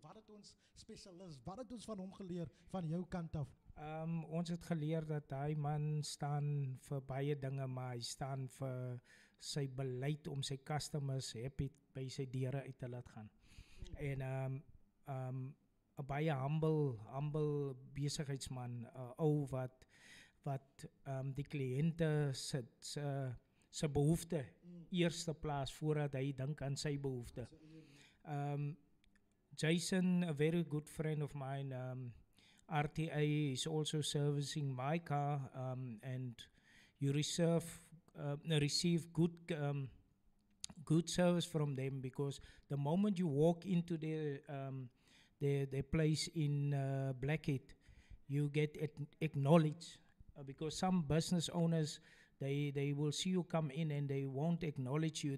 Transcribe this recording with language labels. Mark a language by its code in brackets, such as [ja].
[af] Wat het ons specialist, wat het ons van hom geleer van jou kant af? Ons het geleer dat hy man staan vir baie dinge, maar hy staan vir sy beleid om sy customers happy by sy deure uit te laat gaan. En 'n baie humble besigheidsman, 'n ou wat die kliënte se behoefte eerste plaas voordat hy dink aan sy behoefte. [en] Jason, a very good friend of mine, RTI is also servicing my car, and you receive good service from them, because the moment you walk into their place in Blackheath, you get acknowledged, because some business owners, they will see you come in and they won't acknowledge you.